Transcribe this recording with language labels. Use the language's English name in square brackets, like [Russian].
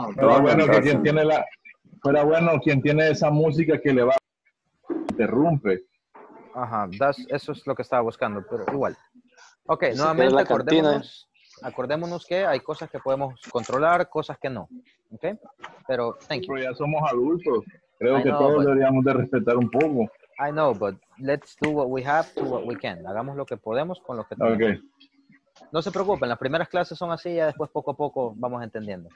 [Spanish] Pero bueno, que quien tiene la, pero bueno, quien tiene esa música que le va, interrumpe. Ajá, eso es lo que estaba buscando, pero igual. Ok, nuevamente acordémonos que hay cosas que podemos controlar, cosas que no. [English] Ok, pero thank you. [Spanish] Pero ya somos adultos, creo que todos deberíamos de respetar un poco. [English] I know, but let's do what we have to what we can. [Spanish] Hagamos lo que podemos con lo que tenemos. [English] Okay. [Spanish] No se preocupen, las primeras clases son así y después poco a poco vamos entendiendo.